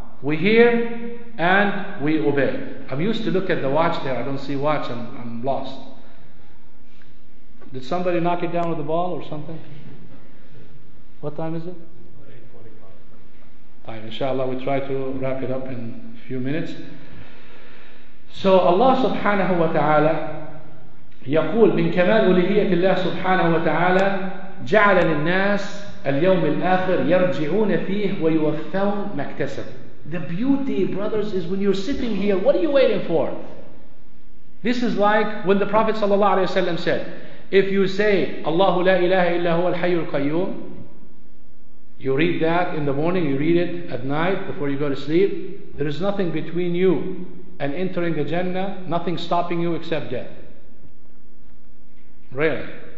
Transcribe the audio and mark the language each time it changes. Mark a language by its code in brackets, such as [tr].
[en] We hear and we obey. I'm used to look at the watch there. I don't see watch. I'm lost. Did somebody knock it down with a ball or something? What time is it? 8:45. Inshallah, we try to wrap it up in a few minutes. [ar] So Allah subhanahu wa ta'ala يقول من كمال أولهية الله سبحانه وتعالى جعل للناس اليوم الآخر يرجعون فيه ويوفون ما اكتسب. [en] The beauty, brothers, is when you're sitting here, what are you waiting for? This is like when the Prophet sallallahu alaihi wasallam said, if you say Allahu la ilaha illa huwa al-hayyu al-qayyum, you read that in the morning, you read it at night before you go to sleep, there is nothing between you and entering the Jannah, nothing stopping you except death. Really?